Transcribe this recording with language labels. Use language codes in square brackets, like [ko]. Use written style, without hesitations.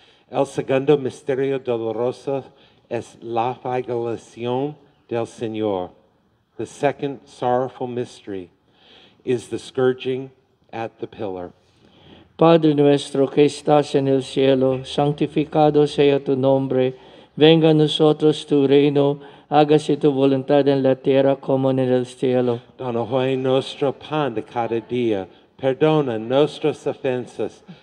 [es] El segundo misterio doloroso es la flagelación del Señor. [en] The second sorrowful mystery is the scourging at the pillar. [es] Padre nuestro que estás en el cielo, santificado sea tu nombre. Venga a nosotros tu reino, hágase tu voluntad en la tierra como en el cielo. Danos hoy nuestro pan de cada día. Perdona nuestras ofensas,